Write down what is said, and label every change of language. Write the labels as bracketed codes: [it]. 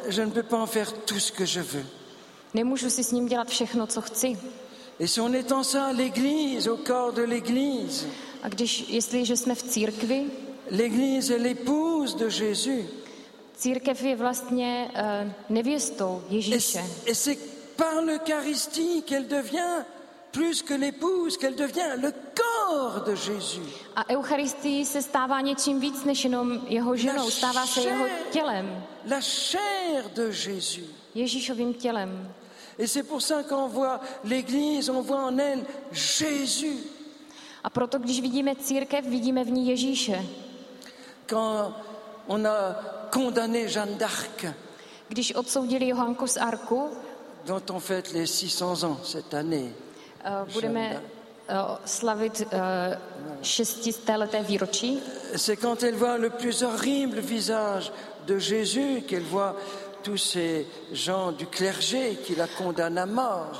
[fr] Je ne peux pas en faire tout ce que je veux. [cs] Nemůžu si s ním dělat všechno, co chci. [fr] Et si on est en ça, l'Église, au corps de l'Église. [cs] A když, jestliže jsme v církvi. [fr] L'Église est l'épouse de Jésus. [cs] Církev je vlastně nevěstou Ježíše. [fr] Et c'est par l'Eucharistie qu'elle devient plus que l'épouse, qu'elle devient le corps de Jésus. [cs] A Eucharistie se stává něčím víc než jenom jeho ženou, stává se jeho tělem. [fr] La chair de Jésus. [cs] Ježíšovým tělem. [fr] Et c'est pour ça qu'on voit l'Église, on voit en elle Jésus. [cs] A proto, když vidíme církev, vidíme v ní Ježíše. [fr] Quand on a condamné Jeanne d'Arc. [cs] Když odsoudili Johanku z Arku. [fr] Dont on fête les 600 ans cette année. [cs] Budeme slavit 600. výročí. [fr] C'est quand elle voit le plus horrible visage de Jésus qu'elle voit tous ces gens du clergé qui la condamnent à mort.